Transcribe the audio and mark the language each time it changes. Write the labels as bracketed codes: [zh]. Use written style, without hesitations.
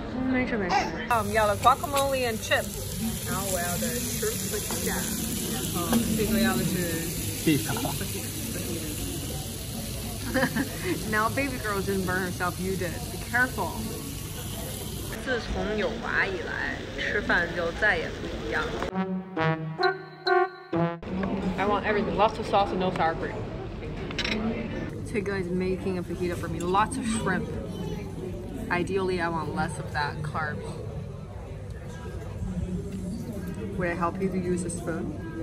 [zh] 没事没事。我们要了 [en] guacamole and chips。 [zh] 然后我要的 shrimp 和鸡蛋，然后这个要的是 [en] beef。 Now baby girl didn't burn herself, you did. Be careful. [zh] 自从有娃以来，吃饭就再也不一样了。 [en] I want everything, lots of sauce and no sour cream. Tiga is making a fajita for me. Lots of shrimp. Ideally, I want less of that carb. Would I help you to use a spoon?